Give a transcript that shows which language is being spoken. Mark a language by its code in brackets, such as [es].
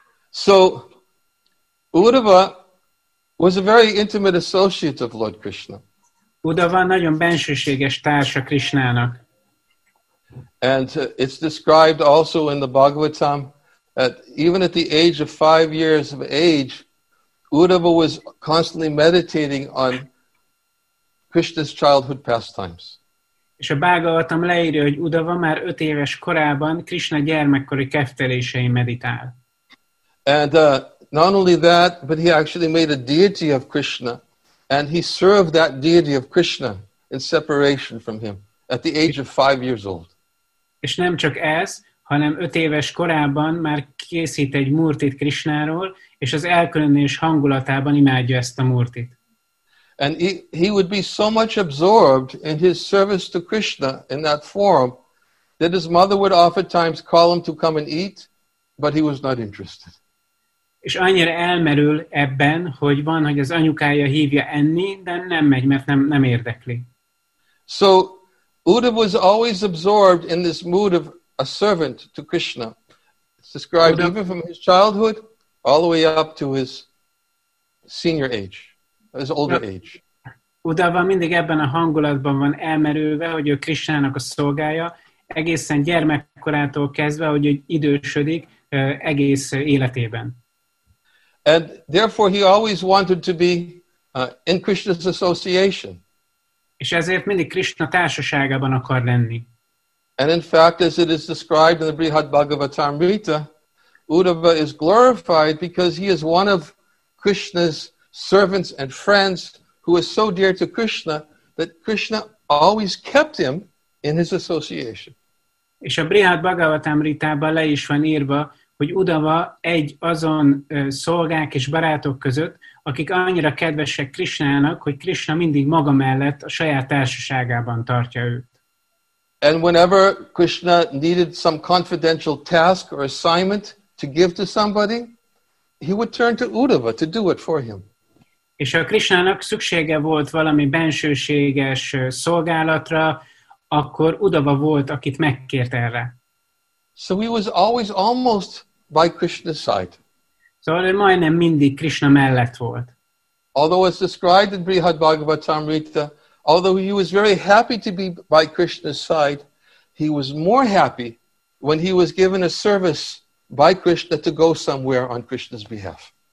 [en] So, Uddhava was a very intimate associate of Lord Krishna. [hu] Uddhava nagyon bensőséges társa Krishnának. [en] And it's described also in the Bhagavatam that even at the age of 5 years of age, Uddhava was constantly meditating on Krishna's childhood pastimes. [hu] És a Bhagavatam leírja, hogy Uddhava már 5 éves korában Krishna gyermekkori keftelésein meditál. [en] And not only that, but he actually made a deity of Krishna. And he served that deity of Krishna in separation from him at the age of 5 years old. [hu] És nem csak ez, hanem 5 éves korában már készít egy murtit Krishnáról, és az elkülönülés hangulatában imádja ezt a murtit. [en] And he would be so much absorbed in his service to Krishna in that form that his mother would oftentimes call him to come and eat, but he was not interested. [hu] És annyira elmerül ebben, hogy van, hogy az anyukája hívja enni, de nem megy, mert nem érdekli. [en] So Uddhava was always absorbed in this mood of a servant to Krishna. It's described even from his childhood all the way up to his senior age, his older age. [hu] Uddhava mindig ebben a hangulatban van elmerülve, hogy ő Krishnának a szolgája, egészen gyermekkorától kezdve, hogy ő idősödik egész életében. [en] And therefore he always wanted to be in Krishna's association. [hu] És ezért mindig Krishna társaságában akar lenni. [en] And in fact, as it is described in the Brihad Bhagavatamrita, Uddhava is glorified because he is one of Krishna's servants and friends who is so dear to Krishna that Krishna always kept him in his association. [hu] És a Brihad Bhagavatamritában le is van írva, hogy Uddhava egy azon szolgák és barátok között, akik annyira kedvesek Krishnának, hogy Krishna mindig maga mellett a saját társaságában tartja őt. [en] And whenever Krishna needed some confidential task or assignment to give to somebody, he would turn to Uddhava to do it for him. [hu] És ha Krishnának szüksége volt valami bensőséges szolgálatra, akkor Uddhava volt, akit megkért erre. [en] So he was always almost by Krishna's side. [hu] Szóval ő majdnem mindig Krishna mellett volt. [en] Although as described in Brihad Bhagavatamrita, although he was very happy to be by Krishna's side, he was more happy when he was given a service by Krishna to go somewhere on Krishna's behalf.